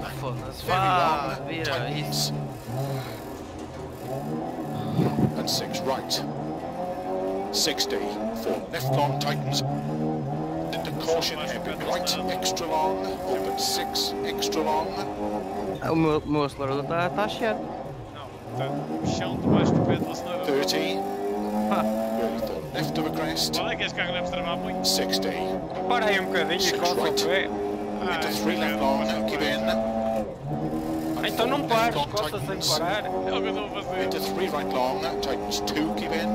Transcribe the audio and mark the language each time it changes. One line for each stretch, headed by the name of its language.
English: very long, tightens, and 6 right, 60, 4 left long, tightens, into caution, right, extra long, open 6, extra long.
Portuguese: O meu acelerador está cheio. Não, o chão debaixo do pé do acelerador.
English: 30. Left of a crest.
Portuguese: Qual é que este carro deve travar muito?
English: 60.
Portuguese: Para aí um bocadinho e corta o pé.
English: Into 3 left long, keep in.
Portuguese: Então não pares, corta sem parar. É o que eu vou fazer.
English: Into 3 right long, tightens 2, keep in.